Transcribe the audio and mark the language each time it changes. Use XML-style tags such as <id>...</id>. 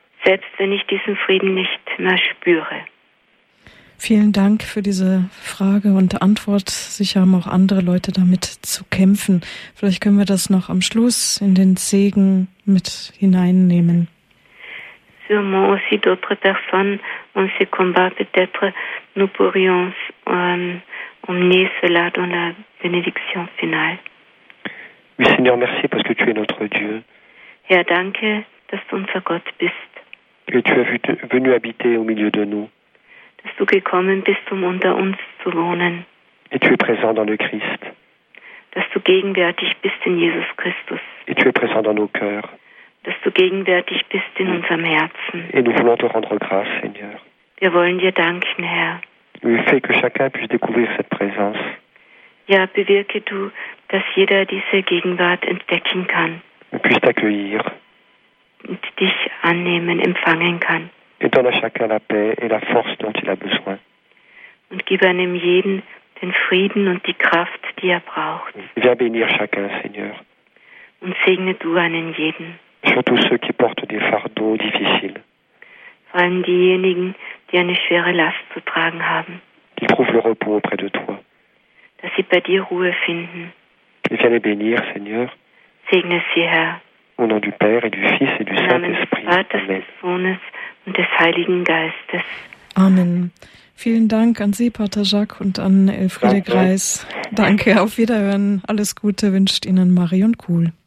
<de>Selbst wenn ich diesen Frieden nicht mehr spüre. Vielen Dank für diese Frage und Antwort. Sicher haben auch andere Leute damit zu kämpfen. Vielleicht können wir das noch am Schluss in den Segen mit hineinnehmen.</de> <fr>Sûrement aussi d'autres personnes ont ces combats. Peut-être nous pourrions emmener cela dans la bénédiction finale. Oui, Seigneur, merci parce que tu es notre Dieu.</fr> <de>Herr, danke, dass du unser Gott bist.</de> <fr>Que tu es venu habiter au milieu de nous.</fr> <de>Dass du gekommen bist, unter uns zu wohnen.</de> <fr>Et tu es présent dans le Christ.</fr> <de>Dass du gegenwärtig bist in Jesus Christus.</de> <fr>Et tu es présent dans nos cœurs.</fr> <de>Dass du gegenwärtig bist in unserem Herzen.</de> <fr>Et nous voulons te rendre grâce, Seigneur.</fr> <de>Wir wollen dir danken, Herr.</de> <fr>Fais que chacun puisse découvrir cette présence.</fr> <de>Ja, bewirke du, dass jeder diese Gegenwart entdecken kann.</de> <fr>Puisse t'accueillir.</fr> <de>Und dich annehmen, empfangen kann.</de> <fr>Et donne à chacun la paix et la force dont il a besoin.</fr> <de>Und gib einem jeden den Frieden und die Kraft, die er braucht.</de> <fr>Viens bénir chacun, Seigneur.</fr> <de>Und segne du einen jeden.</de> <fr>Surtout ceux qui portent des fardeaux difficiles.</fr> <de>Vor allem diejenigen, die eine schwere Last zu tragen haben.</de> <fr>Qui trouvent le repos auprès de toi.</fr> <de>Dass sie bei dir Ruhe finden.</de> <fr>Et viens les bénir, Seigneur.</fr> <de>Segne sie, Herr.</de> <fr>Au nom du Père et du Fils et du Saint-Esprit. Amen.</fr> <de>Des Vaters, des Sohnes und des Heiligen Geistes. Amen. Vielen Dank an Sie, Pater Jacques, und an Elfriede Greis. Danke, auf Wiederhören. Alles Gute wünscht Ihnen Marion Kuhl.</de>